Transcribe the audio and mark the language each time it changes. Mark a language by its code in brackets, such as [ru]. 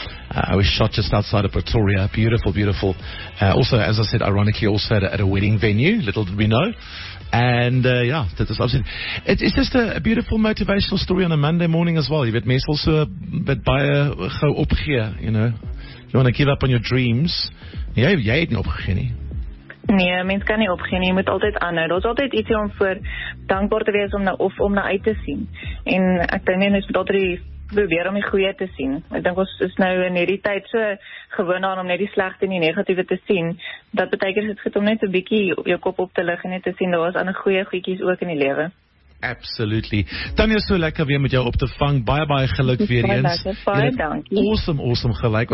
[en] I was shot just outside of Pretoria. Beautiful, beautiful. Also, as I said, ironically, also at a wedding venue. Little did we know. And that is absolutely. It's just a beautiful motivational story on a Monday morning as well. You've met also a bit by a go up here, you know. You want to give up on your dreams. [af] Jy het nie opgegee nie. Nee, mens kan nie opgee nie, jy moet altyd aanhou. Daar is altyd ietsie om voor dankbaar te wees om na uit te sien. En ek dink nie, ons moet altyd probeer om die goeie te sien. Ek dink ons is nou in hierdie tyd so gewoon aan om net die slegte en die negatieve te sien. Dat beteken is het goed om net 'n bietjie jou kop op te lig en net te sien, daar is ander goeie goedjies ook in die lewe. [en] Absolutely. [af] Tanya, so lekker weer met jou op te vang. Baie, baie geluk weer eens. Baie, dankie. [en] Awesome, awesome gelijk.